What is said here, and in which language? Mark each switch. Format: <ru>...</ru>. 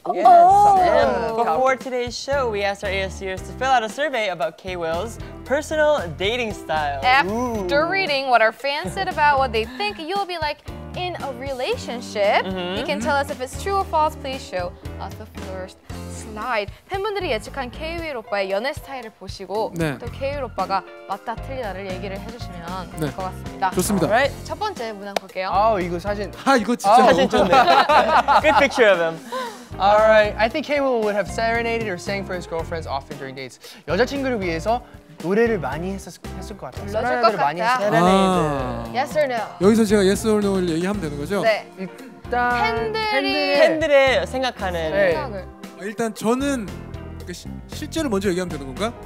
<en>Before today's show, we asked our ASCers to fill out a survey about K.Will's personal dating style. After reading what our fans said about what they think you'll be like in a relationship, you can tell us if it's true or false. Please show us the first slide.</en> <ko>팬분들이 예측한 K.Will 오빠의 연애 스타일을 보시고 네. 또 K.Will 오빠가 맞다 틀리다를 얘기를 해주시면 네. 될 것 같습니다. 좋습니다.</ko> <en>Right.</en> <ko>첫 번째 문항 볼게요. 아우 이거 사진. 아 이거 진짜 너무 사진 좋네.</ko> <en>Good picture of him. Alright, I think K.Will would have serenaded or sang for his girlfriends often during dates.</en> <ko>여자친구를 위해서 노래를 많이 했을 것 같아요. 불러줄 것 같아요.</ko> <en>Yes or no?</en> <ko>여기서 제가 yes or no를 얘기하면 되는 거죠? 네. 일단 팬들의 생각하는 네. 생각을. 일단 저는 실제로 먼저 얘기하면 되는 건가?</ko>